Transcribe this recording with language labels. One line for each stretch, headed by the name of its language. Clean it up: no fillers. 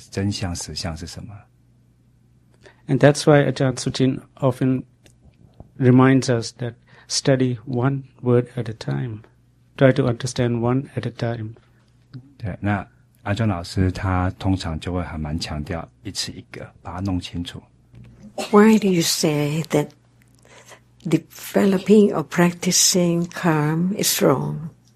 Chinese: 所以像在以前，其实不管人家告诉我们练什么，其实都在概念世界里。可是佛陀传法，传什么是真的，我们就进到法真相的世界里，而不是别人叫我们做什么，我们去了解真相实相是什么。And
English: that's why Ajahn Sujin often reminds us that. Study one word at a time. Try to understand one at a time.
Chinese: 对，那阿娟老师她通常就会还蛮强调一次一个，把它弄清楚。
English: Why do you say that developing or practicing calm is wrong?